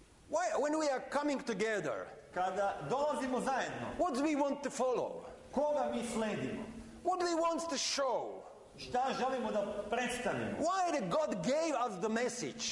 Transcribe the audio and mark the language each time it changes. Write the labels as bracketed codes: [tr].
[en] Why, when we are coming together, [sr] kada dolazimo zajedno, [en] what do we want to follow? [sr] Koga mi sledimo? [en] What do we want to show? [sr] Šta želimo da predstavimo? [en] Why did God gave us the message?